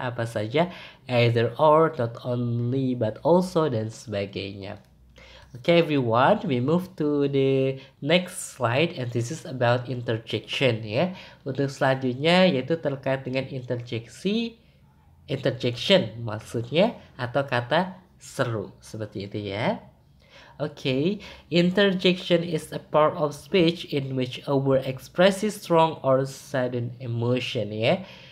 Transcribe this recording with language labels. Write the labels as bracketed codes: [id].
[id] Apa saja, either, or, not only, but also, dan sebagainya. [en] Okay everyone, we move to the next slide, and this is about interjection ya. [id] Untuk selanjutnya yaitu terkait dengan interjection maksudnya, atau kata seru, seperti itu ya. [en] Okay, interjection is a part of speech in which a word expresses strong or sudden emotion ya.